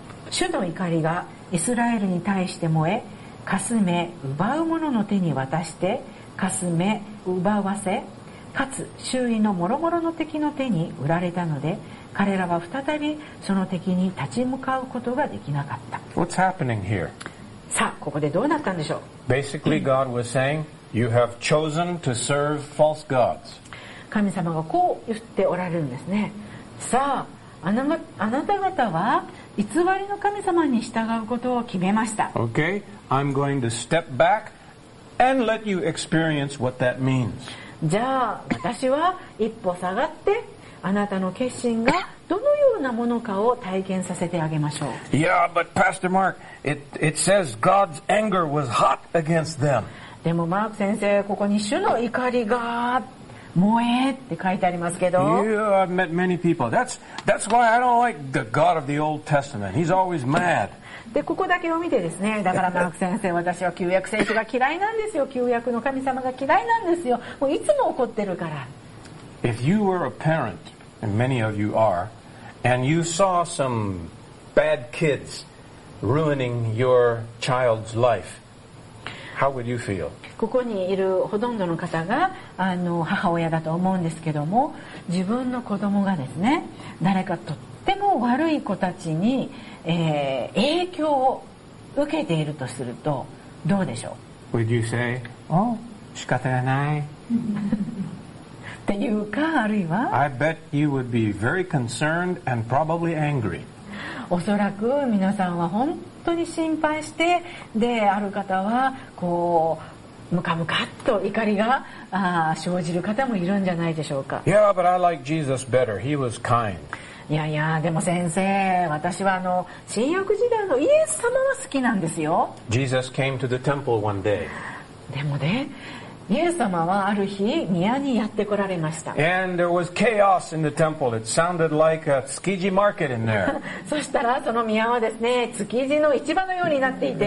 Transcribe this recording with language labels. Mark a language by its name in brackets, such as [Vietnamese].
[Japanese] 主の怒りがイスラエルに対して燃え、かすめ奪う者の手に渡して、かすめ奪わせ、かつ周囲の諸々の敵の手に売られたので、彼らは再びその敵に立ち向かうことができなかった。 [English] What's happening here? [Japanese] さあ、ここでどうなったんでしょう。 [English] Basically, God was saying, you have chosen to serve false gods. [Japanese] 神様がこう言っておられるんですね。さあ、あなた方は、偽りの神様に従うことを決めました。 [English] Okay, I'm going to step back and let you experience what that means. [Japanese] じゃあ、私は一歩下がって、あなたの決心がどのようなものかを体験させてあげましょう。 [English] Yeah, but Pastor Mark, it says God's anger was hot against them. [Japanese] でも、マーク先生、ここに主の怒りが燃えって書いてありますけど。 [English] Yeah, I've met many people. That's why I don't like the God of the Old Testament. He's always mad. [Japanese] で、ここだけを見てですね。だからマーク先生、私は旧約聖書が嫌いなんですよ。旧約の神様が嫌いなんですよ。もういつも怒ってるから。 [English] If you were a parent, and many of you are, and you saw some bad kids ruining your child's life, How would you feel? [Japanese] ここにいるほとんどの方が母親だと思うんですけども、自分の子供がですね、誰かとっても悪い子たちに、影響を受けているとするとどうでしょう。 [English] Would you say, oh, [Japanese] 仕方がないっていうか、あるいは [English] I bet you would be very concerned and probably angry。 [Japanese] おそらく皆さんは本当に心配して、で、ある方はこうムカムカっと怒りが生じる方もいるんじゃないでしょうか。 [English] Yeah, but I like Jesus better. He was kind. [Japanese] いやいや、でも先生、私は新約時代のイエス様は好きなんですよ。 [English] Jesus came to the temple one day. [Japanese] でもね、イエス様はある日宮にやって来られました。 [English] And there was chaos in the temple. It sounded like a Tsukiji market in there. [Japanese] そしたらその宮はですね、築地の市場のようになっていて、